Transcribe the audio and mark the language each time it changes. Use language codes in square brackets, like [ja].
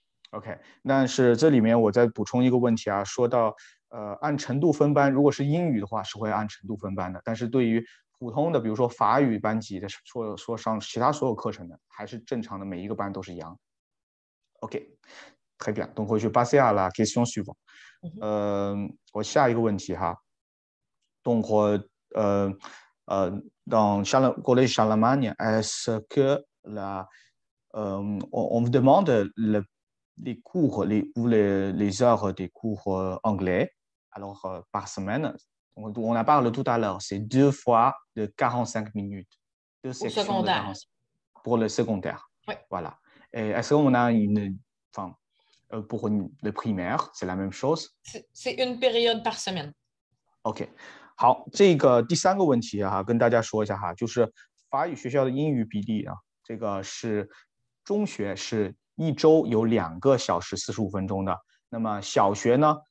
[zh] OK， 但是这里面我再补充一个问题啊，说到按程度分班，如果是英语的话是会按程度分班的，但是对于普通的比如说法语班级的说上其他所有课程的还是正常的，每一个班都是一样。 OK， 太棒。等回去巴西亚拉 [fr] question suivant， [zh] 我下一个问题哈， [fr] 等回dans le collège Charlemagne， est-ce que on vous demande les cours ou les heures des cours anglais alors par semaine？ On a parlé tout à l'heure, c'est deux fois de 45 minutes. Deux sections au secondaire. De 45, pour le secondaire. Oui. Voilà. Et est-ce qu'on a une... Enfin, pour le primaire, c'est la même chose? C'est une période par semaine. OK. [zh] 好，这个第三个问题啊，跟大家说一下哈，就是法语学校的英语比例啊，这个是中学是一周有两个小时四十五分钟的，那么小学呢？